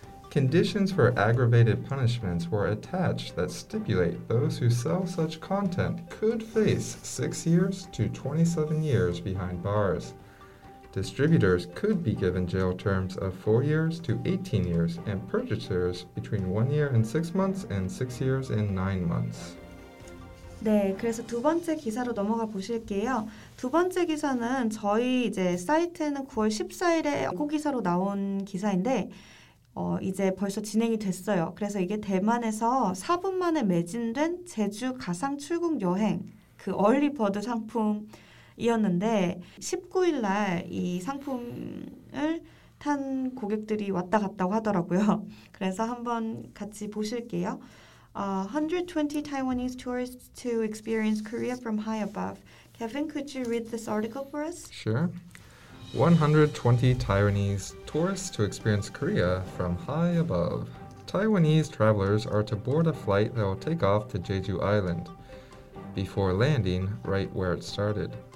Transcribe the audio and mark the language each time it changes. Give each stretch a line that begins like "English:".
English: Conditions for aggravated punishments were attached that stipulate those who sell such content could face 6 years to 27 years behind bars. Distributors could be given jail terms of 4 years to 18 years, and purchasers between 1 year and 6 months and 6 years and 9 months.
Korean: 네, 그래서 두 번째 기사로 넘어가 보실게요. 두 번째 기사는 저희 이제 사이트에는 9월 14일에 연구 기사로 나온 기사인데 이제 벌써 진행이 됐어요. 그래서 이게 대만에서 4분 만에 매진된 제주 가상 출국 여행 그 얼리버드 상품이었는데 19일 날 이 상품을 탄 고객들이 왔다 갔다고 하더라고요. 그래서 한번 같이 보실게요.
English: 120 Taiwanese tourists to experience Korea from high above. Kevin, could you read this article for us? Sure. 120 Taiwanese tourists to experience Korea from high above. Taiwanese travelers are to board a flight that will take off to Jeju Island before landing right where it started.